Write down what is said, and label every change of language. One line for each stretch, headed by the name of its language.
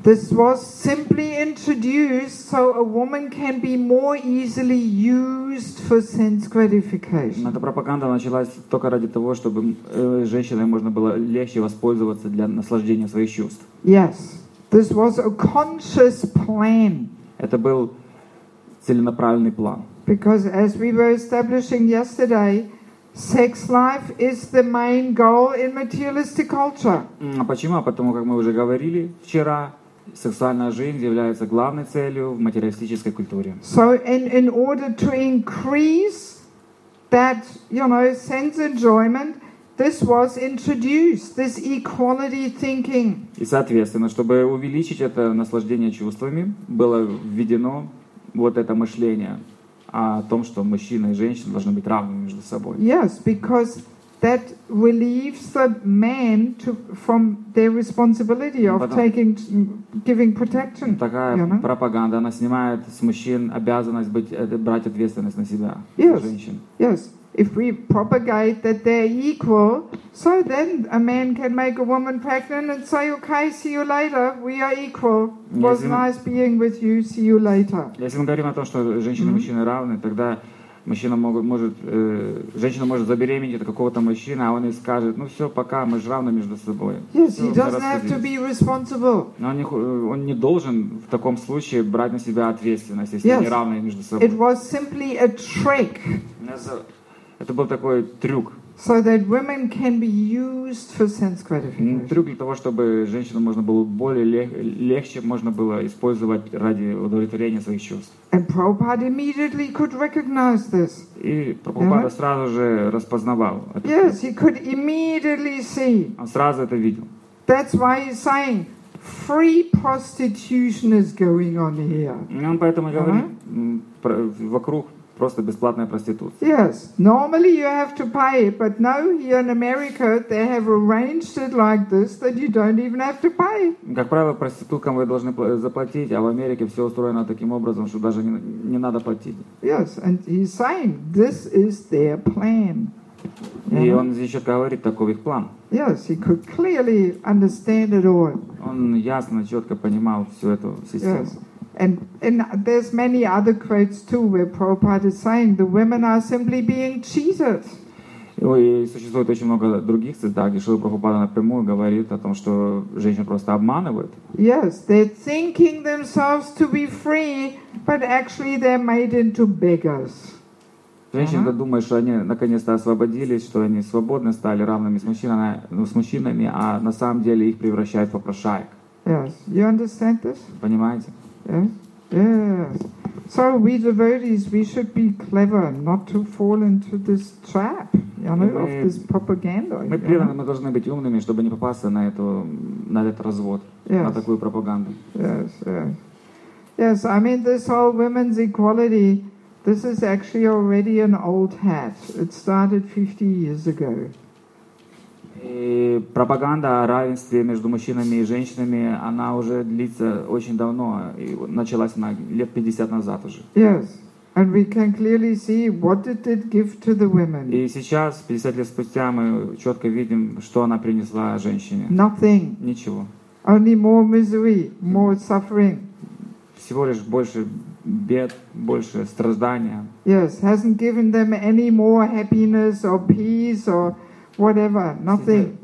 English: This was simply introduced so a woman can be more easily used for sense gratification.
Russian: Эта пропаганда началась только ради того, чтобы женщиной можно было легче воспользоваться для наслаждения своих чувств.
English: Yes, this was a conscious plan.
Russian: Это был целенаправленный план.
English: Because as we were establishing yesterday. Sex life is the main goal in materialistic culture.
Russian: А почему? Потому как мы уже говорили вчера, сексуальная жизнь является главной целью в материалистической культуре.
English: So in order to increase that, you know, sense enjoyment, this was introduced, this equality thinking.
Russian: И соответственно, чтобы увеличить это наслаждение чувствами, было введено вот это мышление. О том, что мужчина и женщина должны быть равными между собой.
English: Yes, because that relieves the man to, from their responsibility of taking, giving protection.
Russian: Такая пропаганда, она снимает с мужчин обязанность быть, брать ответственность на себя,
English: yes,
Russian: женщин.
English: Yes, if we propagate that they're equal, so then a man can make a woman pregnant and say, okay, see you later, we are equal, it was nice being with you, see you later.
Russian: Если мы говорим о том, что женщины и мужчины равны, тогда мужчина женщина может забеременеть от какого-то мужчины, а он ей скажет, ну все, пока, мы же равны между собой.
English: Yes, he doesn't have to be responsible.
Russian: Он не должен в таком случае брать на себя ответственность, если они равны между собой.
English: It was simply a trick.
Russian: Это был такой трюк.
English: So that women can be used for sense gratification.
Russian: Трюк для того, чтобы женщину можно было более легче можно было использовать ради удовлетворения своих чувств.
English: And Prabhupada immediately could recognize this.
Russian: И Прабхупада сразу же распознавал это.
English: Yes, he could immediately see.
Russian: Он сразу это видел.
English: That's why he's saying free prostitution is going on here.
Russian: Он поэтому говорит вокруг. Просто бесплатная проституция.
English: Yes, normally you have to pay, but now here in America they have arranged it like this that you don't even have to pay.
Russian: Как правило, проституткам вы должны заплатить, а в Америке все устроено таким образом, что даже не надо платить.
English: Yes, and he's saying this is their plan.
Russian: И он еще говорит, таков их план.
English: Yes, he could clearly understand it all.
Russian: Он ясно, четко понимал всю эту систему.
English: Yes. And there's many other quotes too where Prabhupada is saying the women are simply being cheated.
Russian: И существует очень много других цитат, где Шрила Прабхупада напрямую говорит о том, что женщин просто обманывают.
English: Yes, they're thinking themselves to be free, but actually they're made into beggars.
Russian: Женщины думают, что они наконец-то освободились, что они свободны, стали равными с мужчинами, а на самом деле их превращают в попрошаек.
English: Yes, you understand this?
Russian: Понимаете?
English: Yes. So we devotees, we should be clever, not to fall into this trap, you know, of this propaganda.
Russian: Мы преданы, мы должны быть умными, чтобы не попасться на эту, на этот развод, на такую пропаганду.
English: Yes, yes. Yes, I mean this whole women's equality. This is actually already an old hat. It started 50 years ago.
Russian: И пропаганда о равенстве между мужчинами и женщинами, она уже длится очень давно, и началась она лет 50 назад уже.
English: Yes, and we can clearly see what it did give to the women.
Russian: И сейчас, 50 лет спустя, мы четко видим, что она принесла женщине.
English: Nothing.
Russian: Ничего.
English: Only more misery, more suffering.
Russian: Всего лишь больше бед, больше страдания.
English: Yes, hasn't given them any more happiness or peace or whatever, nothing.